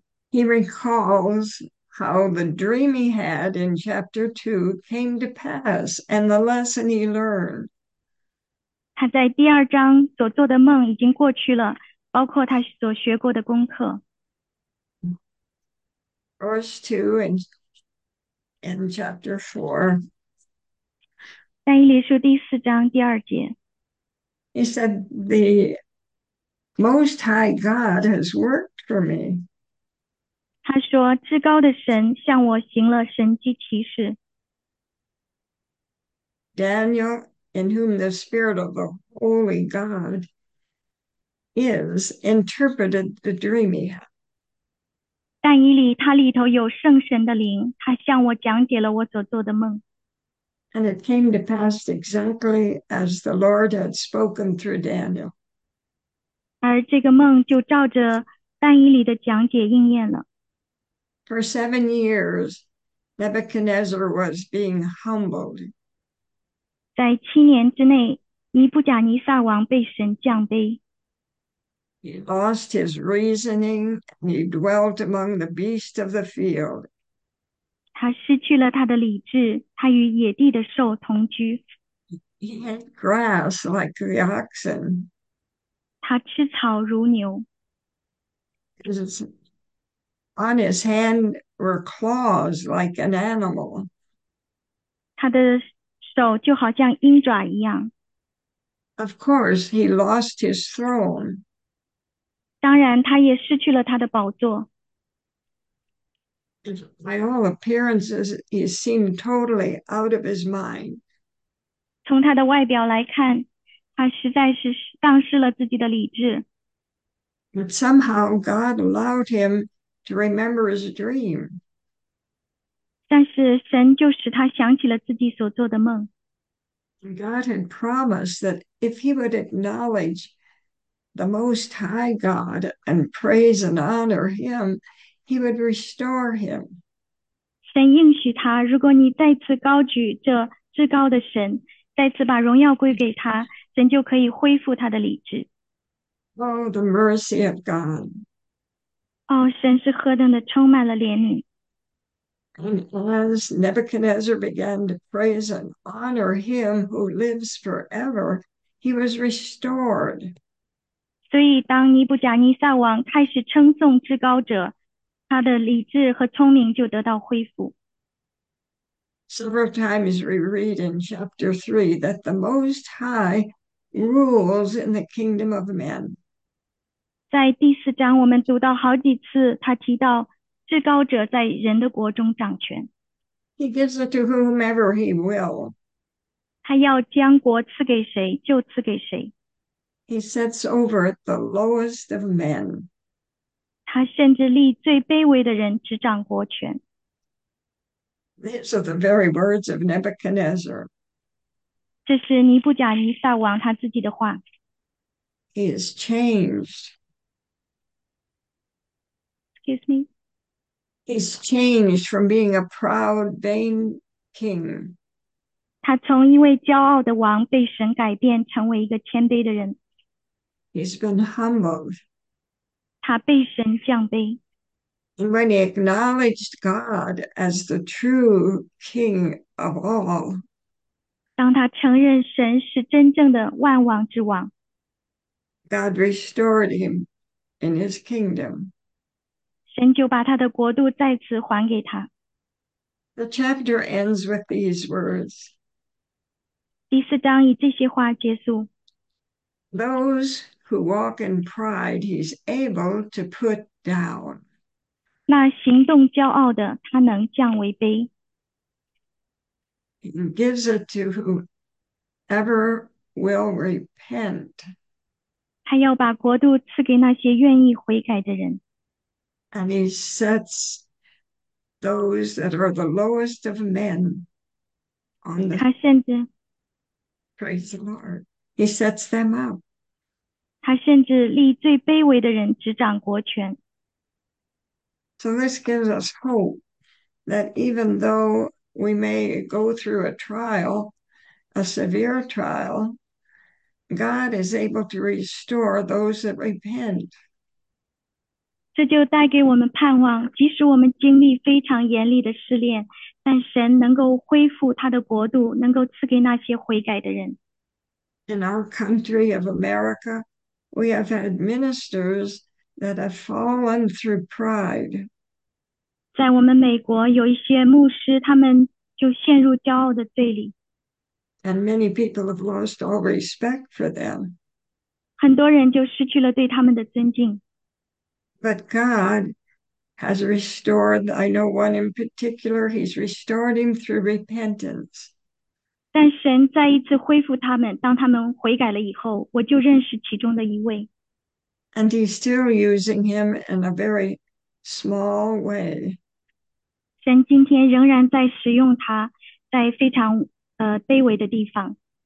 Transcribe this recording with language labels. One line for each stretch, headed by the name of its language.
English: He recalls how the dream he had in chapter 2 came to pass and the lesson he learned.
Chinese: 他在第二章所做的梦已经过去了，包括他所学过的功课。
English: Verse 2 in chapter 4.
Chinese: 但以理书第四章第二节。
English: He said, "The Most High God has worked for me."
Chinese: 他说：“至高的神向我行了神迹奇事。
English: Daniel, in whom the spirit of the holy God is, interpreted the dream he had.
Chinese: ”但以理他里头有圣神的灵，他向我讲解了我所做的梦。
English: And it came to pass exactly as the Lord had spoken through Daniel.
Chinese: 而这个梦就照着但以理的讲解应验了。
English: For 7 years, Nebuchadnezzar was being humbled.
Chinese: 在7年之内，尼布甲尼撒王被神降卑。
English: He lost his reasoning, and he dwelt among the beasts of the field.
Chinese: 他失去了他的理智，他与野地的兽同居。
English: He ate grass like the oxen.
Chinese: 他吃草如牛。
English: On his hand were claws like an animal.
Chinese: 他的手就好像鹰爪一样，
English: Of course, he lost his throne.
Chinese: 当然，他也失去了他的宝座。
English: By all appearances, he seemed totally out of his mind.
Chinese: 从他的外表来看，他实在是丧失了自己的理智。
English: But somehow God allowed him to remember his dream.
Chinese: 但是神就使他想起了自己所做的梦。
English: God had promised that if he would acknowledge the Most High God and praise and honor him, he would restore him.
Chinese: 神应许他，如果你再次高举这至高的神，再次把荣耀归给他，神就可以恢复他的理智。
English: Oh, the mercy of God.
Chinese: 哦，神是何等的充满了怜悯。
English: And as Nebuchadnezzar began to praise and honor him who lives forever, he was restored.
Chinese: 所以，当尼布甲尼撒王开始称颂至高者。他的理智和聪明就得到恢复。
English: Several times we read in chapter 3 that the Most High rules in the kingdom of men.
Chinese: 在第四章，我们读到好几次，他提到至高者在人的国中掌权。
English: He gives it to whomever he will.
Chinese: 他要将国赐给谁，就赐给谁。
English: He sets over it the lowest of men.
Chinese: 他甚至立最卑微的人执掌国权。
English: These are the very words of Nebuchadnezzar.
Chinese: 这是尼布甲尼撒王他自己的话。
English: He is changed. Excuse me. He's changed from being a proud, vain king. He
Chinese: 从一位骄傲的王被神改变，成为一个谦卑的人。
English: He's been humbled.
Chinese: 他被神降卑，
English: And when he acknowledged God as the true king of all,
Chinese: 当他承认神是真正的万王之王，
English: God restored him in his kingdom.
Chinese: 神就把他的国度再次还给他。
English: The chapter ends with these words.
Chinese: 第四章以这些话结束。
English: Those who walk in pride, he's able to put down.
Chinese: 那行动骄傲的，他能降为卑。
English: He gives it to whoever will repent.
Chinese: 他要把国度赐给那些愿意悔改的人。
English: And he sets those that are the lowest of men on the praise the Lord. He sets them up.
Chinese: 他甚至立最卑微的人执掌国权。
English: So this gives us hope that even though we may go through a trial, a severe trial, God is able to restore those that repent.
Chinese: 这就带给我们盼望，即使我们经历非常严厉的试炼，但神能够恢复他的国度，能够赐给那些悔改的人。
English: In our country of America, we have had ministers that have fallen through pride.
Chinese: 在我们美国，有一些牧师，他们就陷入骄傲的罪里。
English: And many people have lost all respect for them.
Chinese: 很多人就失去了对他们的尊敬。
English: But God has restored, I know one in particular, he's restored him through repentance.
Chinese: 但神再一次恢复他们，当他们悔改了以后，我就认识其中的一位。
English: And he's still using him in a very small way.
Chinese: 神今天仍然在使用他，在非常卑微的地方。